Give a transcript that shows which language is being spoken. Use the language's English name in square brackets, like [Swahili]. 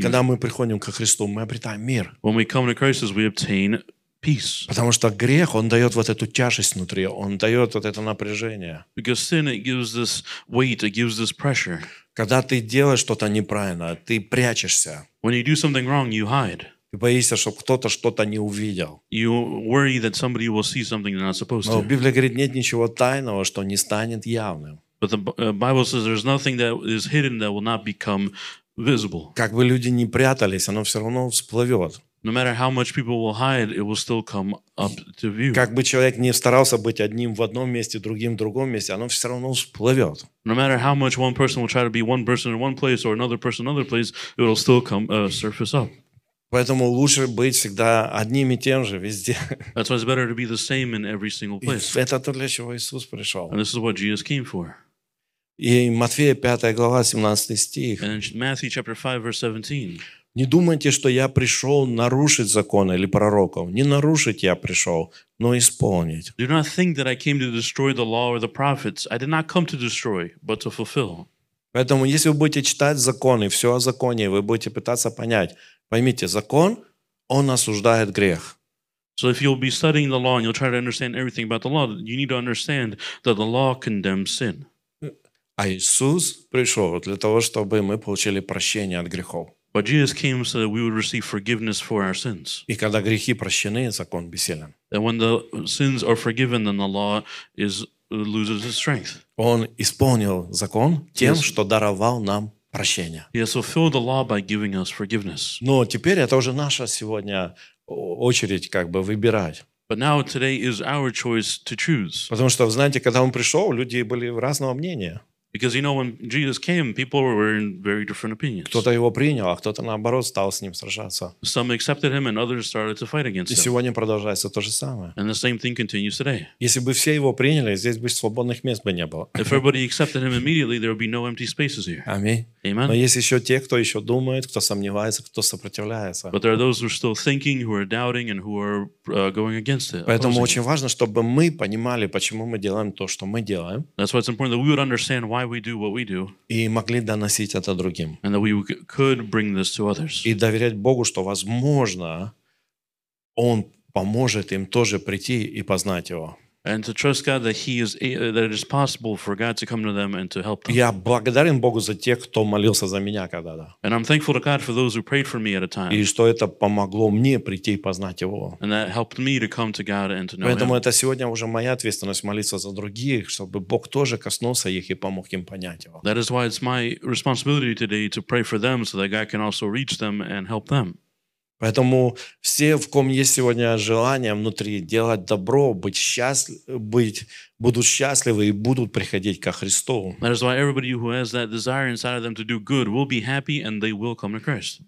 [Russian] когда мы приходим ко Христу, мы обретаем мир. [English] When we come to Christ, we obtain peace. [Russian] Потому что грех, он дает вот эту тяжесть внутри, он дает вот это напряжение. [English] Because sin, it gives this weight, it gives this pressure. [Russian] Когда ты делаешь что-то неправильно, ты прячешься. [English] When you do something wrong, you hide. [Russian] Ты боишься, чтобы кто-то что-то не увидел. [English] You worry that somebody will see something they're not supposed to. [Russian] Но Библия говорит, нет ничего тайного, что не станет явным. [English] But the Bible says there's nothing that is hidden that will not become visible. [Russian] Как бы люди не прятались, оно все равно всплывет. [English] No matter how much people will hide, it will still come up to view. [Russian] Как бы человек не старался быть одним в одном месте, другим в другом месте, оно все равно всплывет. [English] No matter how much one person will try to be one person in one place or another person in another place, it will still come surface up. [Russian] Поэтому лучше быть всегда одним и тем же везде. [English] That's why it's better to be the same in every single place. [Russian] Это то, для чего Иисус пришел. [English] And this is what Jesus came for. [Russian] И Матфея 5 глава 17 стих. [English] And in Matthew chapter 5 verse 17. [Russian] Не думайте, что я пришел нарушить законы или пророков. Не нарушить я пришел, но исполнить. [English] Do not think that I came to destroy the law or the prophets. I did not come to destroy, but to fulfill. [Russian] Поэтому, если вы будете читать законы, все о законе, вы будете пытаться понять, поймите, закон, он осуждает грех. [English] So if you'll be studying the law and you'll try to understand everything about the law, you need to understand that the law condemns sin. [Russian] А Иисус пришел для того, чтобы мы получили прощение от грехов. [English] But Jesus came so that we would receive forgiveness for our sins. [Russian] И когда грехи прощены, закон бессилен. [English] And when the sins are forgiven, then the law loses its strength. [Russian] Он исполнил закон тем, что даровал нам прощение. [English] He has fulfilled the law by giving us forgiveness. [Russian] Но теперь это уже наша сегодня очередь как бы выбирать. [English] But now today is our choice to choose. [Russian] Потому что, знаете, когда он пришел, люди были разного мнения. [English] Because you know when Jesus came, people were in very different opinions. [Russian] Кто-то его принял, а кто-то наоборот стал с ним сражаться. [English] Some accepted him, and others started to fight against him. [Russian] И сегодня продолжается то же самое. [English] And the same thing continues today. [Russian] Если бы все его приняли, здесь бы свободных мест бы не было. [English] If everybody accepted him immediately, there would be no empty spaces here. [Russian] Аминь. [English] Amen. [Russian] Но есть еще те, кто еще думает, кто сомневается, кто сопротивляется. [English] But there are those who are still thinking, who are doubting, and who are going against it. [Russian] Поэтому очень важно, чтобы мы понимали, почему мы делаем то, что мы делаем. [English] That's why it's important that we would understand why we do what we do. [Russian] И могли доносить это другим. [English] And that we could bring this to others. [Russian] И доверять Богу, что возможно, Он поможет им тоже прийти и познать Его. [English] And to trust God that He is that it is possible for God to come to them and to help them. [Russian] Я благодарен Богу за тех, кто молился за меня когда-то. [English] And I'm thankful to God for those who prayed for me at a time. [Russian] И что это помогло мне прийти и познать Его. [English] And that helped me to come to God and to know [Russian] Поэтому Поэтому это сегодня уже моя ответственность молиться за других, чтобы Бог тоже коснулся их и помог им понять Его. [English] That is why it's my responsibility today to pray for them so that God can also reach them and help them. [Russian] Поэтому все, в ком есть сегодня желание внутри делать добро, быть счастливы, будут счастливы и будут приходить ко Христу. [English] That is why everybody who has that desire inside of them to do good will be happy and they will come to Christ.